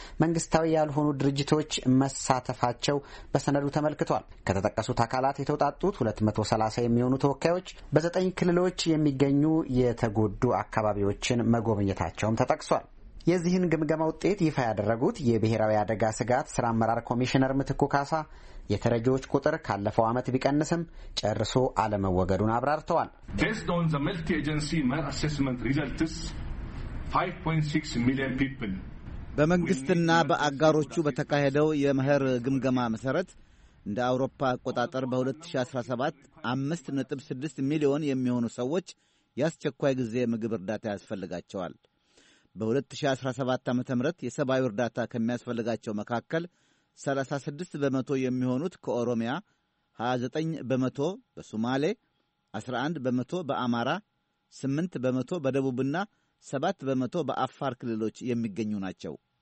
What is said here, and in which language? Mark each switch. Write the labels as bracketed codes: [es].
[am] መንግስታዊ ያልሆኑ ድርጅቶች መሳተፋቸው በሰነዱ ተመልክቷል። ከተጠቀሱት አካላት የተውጣጡት 230 የሚሆኑ ተወካዮች በዘጠኝ ክልሎች የሚገኙ የተጎዱ አካባቢዎችን መጎብኘታቸውም ተጠቅሷል። የዚህን ግምገማ ውጤት ይፋ ያደረጉት የብሔራዊ አደጋ ስጋት ስራ አመራር ኮሚሽነር ምትኩ ካሳ የተረጂዎች ቁጥር ካለፈው ዓመት ቢቀንስም ጨርሶ አለመወገዱን አብራርተዋል። [en] Based on the multi-agency MER assessment results, 5.6 million people. [am] በመንግስትና በአጋሮቹ በተካሄደው የመኸር ግምገማ መሰረት እንደ አውሮፓ አቆጣጠር በ2017 5.6 ሚሊዮን የሚሆኑ ሰዎች ያስቸኳይ ጊዜ ምግብ እርዳታ ያስፈልጋቸዋል። በ2017 ዓ.ም የሰብአዊ እርዳታ ከሚያስፈልጋቸው መካከል 36 በመቶ የሚሆኑት ከኦሮሚያ፣ 29 በመቶ በሶማሌ፣ 11 በመቶ በአማራ፣ 8 በመቶ በደቡብና 7 በመቶ በአፋር ክልሎች የሚገኙ ናቸው።